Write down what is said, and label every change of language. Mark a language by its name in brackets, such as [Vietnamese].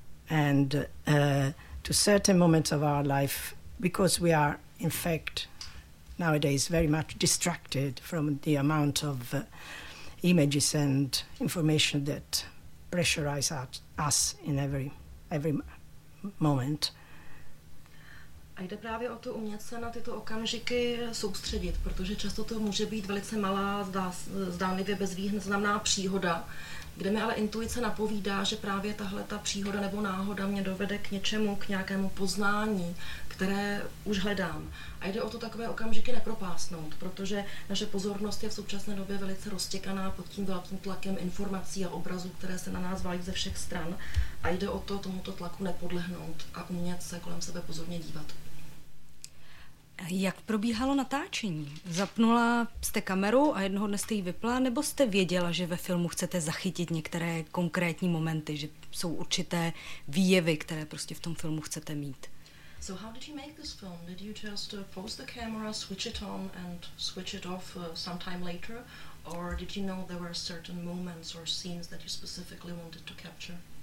[English] and to certain moments of our life, because we are in fact nowadays very much distracted from the amount of images and information that pressurize us in every moment. [Czech] A jde právě o to umět se na tyto okamžiky soustředit, protože často to může být velice malá, zdánlivě bezvýznamná příhoda, kde mi ale intuice napovídá, že právě tahle ta příhoda nebo náhoda mě dovede k něčemu, k nějakému poznání, které už hledám. A jde o to takové okamžiky nepropásnout, protože naše pozornost je v současné době velice roztěkaná pod tím velkým tlakem informací a obrazů, které se na nás valí ze všech stran. A jde o to tomuto tlaku nepodlehnout a umět se kolem sebe pozorně dívat. Jak probíhalo natáčení? Zapnula jste kameru a jednoho dne jste ji vypla, nebo jste věděla, že ve filmu chcete zachytit některé konkrétní momenty, že jsou určité výjevy, které prostě v tom filmu chcete mít? [English] So how did you make this film? Did you just pose the camera, switch it on and switch it off sometime later? Or did you know there were certain moments or scenes that you specifically wanted to capture?